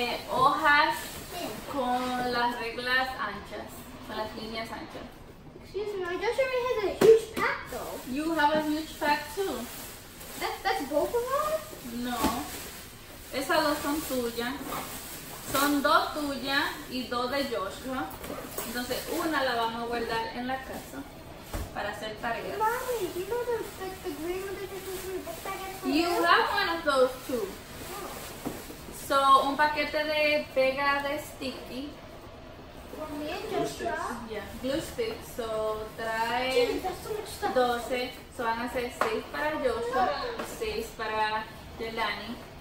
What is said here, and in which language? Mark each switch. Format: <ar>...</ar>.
<es>hojas con las reglas anchas. Con las líneas anchas.</es> <en>Excuse me, Joshua has a huge pack though. You have a huge pack too. That's both of them?</en> <es>No. Esas dos son tuyas. Son dos tuyas y dos de Joshua. Entonces, una la vamos a guardar en la casa para hacer tareas.</es> <en>Mommy, you know the green one that you just put back at home? You have one of those too.</en> <es>So, un paquete de pega de sticky.</es> <en>For me and Joshua. Glue sticks. Yeah, glue sticks. So,</en> <es>trae</es> <en>Jesus, that's so much stuff.</en> <es>12. So, van a ser 6 para Joshua y 6 para Jelani.</es>